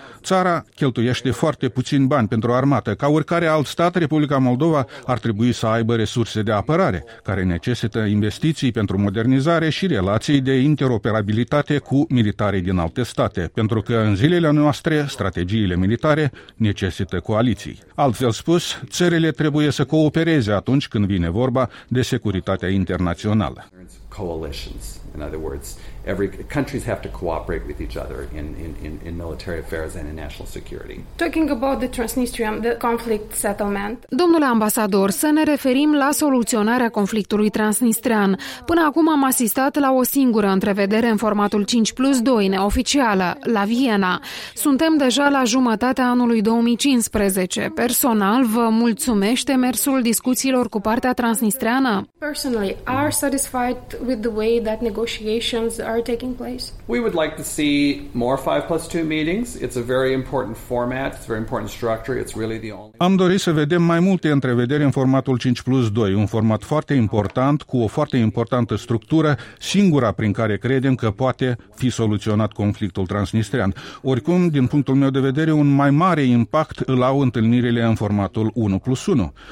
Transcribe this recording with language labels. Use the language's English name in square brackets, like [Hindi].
[Romanian] Țara cheltuiește foarte puțin bani pentru armată. Ca oricare alt stat, Republica Moldova ar trebui să aibă resurse de apărare, care necesită investiții pentru modernizare și relații de interoperabilitate cu militarii din alte state, pentru că în zilele noastre, strategiile militare necesită coaliții. Altfel spus, țările trebuie să coopereze atunci când vine vorba de securitatea internațională. [English] Coalitions, in other words, every countries have to cooperate with each other in military affairs and in national security. Talking about the Transnistrian, the conflict settlement. [Romanian] Domnule ambasador, să ne referim la soluționarea conflictului transnistrean. Până acum am asistat la o singură întrevedere în formatul 5+2 neoficială, la Viena. Suntem deja la jumătatea anului 2015. Personal, vă mulțumește mersul discuțiilor cu partea transnistreană? [English] Personally, are satisfied with the way that negotiations are taking place. We would like to see more 5+2 meetings. It's a very important format, it's a very important structure. It's really the only. [Romanian] Am dorit să vedem mai multe întrevederi în formatul 5+2, un format foarte important cu o foarte importantă structură, singura prin care credem că poate fi soluționat conflictul transnistrean. Oricum, din punctul meu de vedere, un mai mare impact îl au întâlnirile în formatul 1+1.